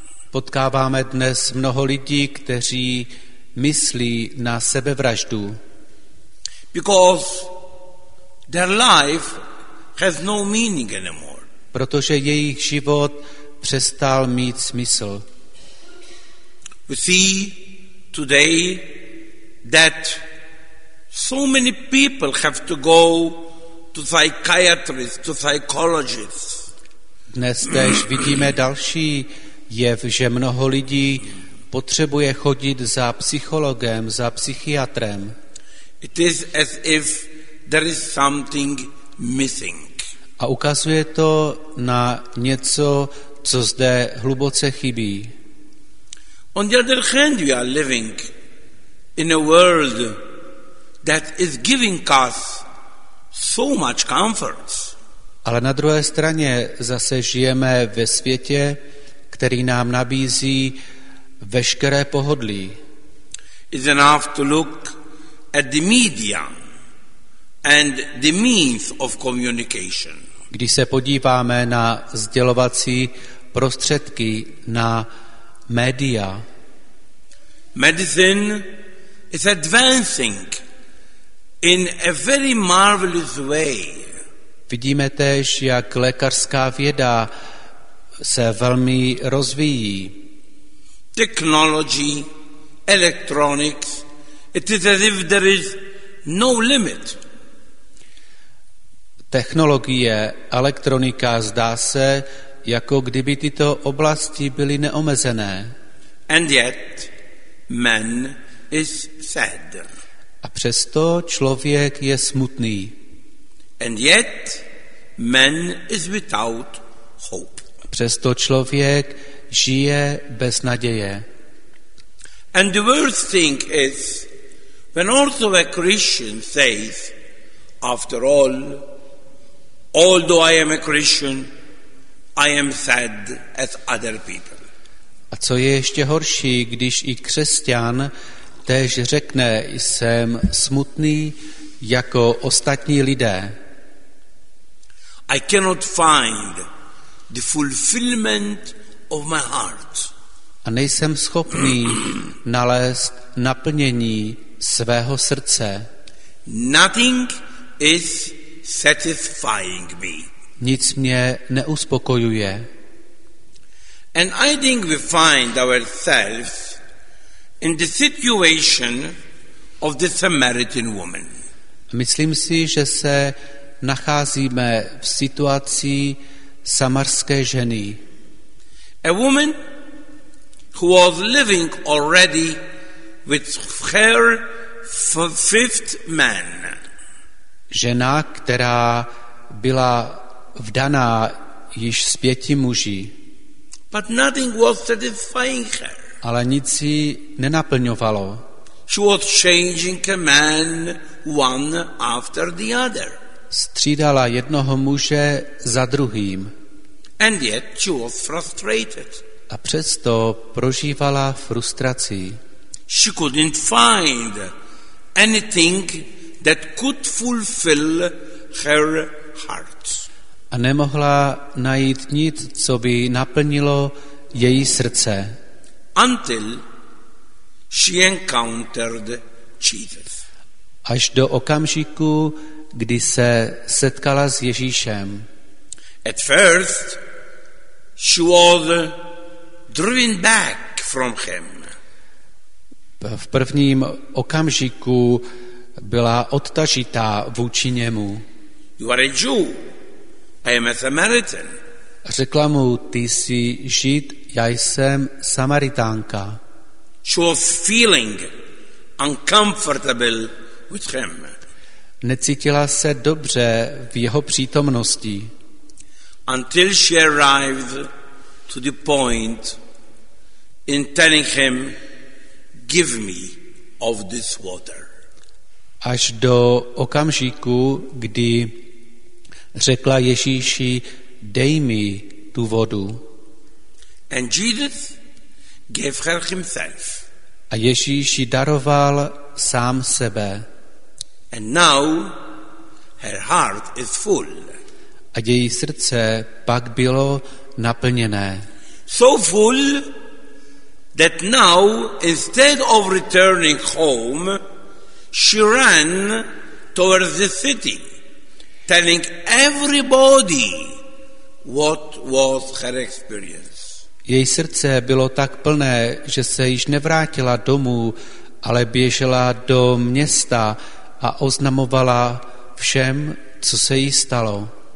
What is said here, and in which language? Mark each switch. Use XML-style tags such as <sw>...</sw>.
<cs>Potkáváme dnes mnoho lidí, kteří myslí na sebevraždu.</cs> <en>Because their life has no meaning anymore.</en> <cs>Protože jejich život přestal mít smysl.</cs> <en>We see today that so many people have to go to psychiatrists, to psychologists.</en> <cs>Dnes též vidíme další jev, že mnoho lidí potřebuje chodit za psychologem, za psychiatrem.</cs> <en>It is as if there is something missing.</en> <cs>A ukazuje to na něco, co zde hluboce chybí.</cs> <en>On the other hand, we are living in a world that is giving us so much comfort.</en> <cs>Ale na druhé straně zase žijeme ve světě, který nám nabízí veškeré pohodlí.</cs> <en>It's enough to look at the media and the means of communication.</en> <cs>Když se podíváme na sdělovací prostředky, na média.</cs> <en>Medicine is advancing in a very marvelous way.</en> <cs>Vidíme též, jak lékařská věda se velmi rozvíjí.</cs> <en>Technology, electronics, it is as if there is no limit.</en> <cs>Technologie, elektronika, zdá se, jako kdyby tyto oblasti byly neomezené.</cs> <en>And yet, man is sad.</en> <cs>A přesto člověk je smutný.</cs> <en>And yet, man is without hope.</en> <cs>A přesto člověk žije bez naděje.</cs> <en>And the worst thing is, when also a Christian says, after all, although I am a Christian, I am sad as other people.</en> <cs>A co je ještě horší, když i křesťan též řekne, jsem smutný jako ostatní lidé.</cs> <en>I cannot find the fulfillment of my heart.</en> <cs>A nejsem schopný nalézt naplnění svého srdce.</cs> <en>Nothing is satisfying me.</en> <cs>Nic mě neuspokojuje.</cs> <en>And I think we find ourselves in the situation of the Samaritan woman.</en> <cs>Myslím si, že se nacházíme v situaci samarské ženy.</cs> <en>A woman who was living already with her fifth man.</en> <cs>Žena, která byla vdaná již s pěti muži.</cs> <en>But nothing was satisfying her.</en> <cs>Ale nic jí nenaplňovalo.</cs> <en>She was changing a man one after the other.</en> <cs>Střídala jednoho muže za druhým.</cs> <en>And yet she was frustrated.</en> <cs>A přesto prožívala frustraci.</cs> <en>She couldn't find anything that could fulfill her heart.</en> <cs>A nemohla najít nic, co by naplnilo její srdce.</cs> <en>Until she encountered Jesus.</en> <cs>Až do okamžiku, kdy se setkala s Ježíšem.</cs> <en>At first she was driven back from him.</en> <cs>V prvním okamžiku byla odtažitá vůči němu.</cs> <en>You are a Jew. I am a Samaritan.</en> <cs>Řekla mu, ty jsi Žid, já jsem Samaritánka.</cs> <en>She was feeling uncomfortable with him.</en> <cs>Necítila se dobře v jeho přítomnosti.</cs> <en>Until she arrived to the point in telling him, give me of this water.</en> <cs>Až do okamžiku, kdy řekla Ježíši, dej mi tu vodu.</cs> <en>And Jesus gave her himself.</en> <cs>A Ježíš jí daroval sám sebe.</cs> <en>And now her heart is full.</en> <cs>A její srdce pak bylo naplněné.</cs> <en>So full that now instead of returning home, she ran towards the city, telling everybody what was her experience.</en> <cs>Její srdce bylo tak plné, že se již nevrátila domů, ale běžela do města a oznamovala všem, co se jí stalo.</cs>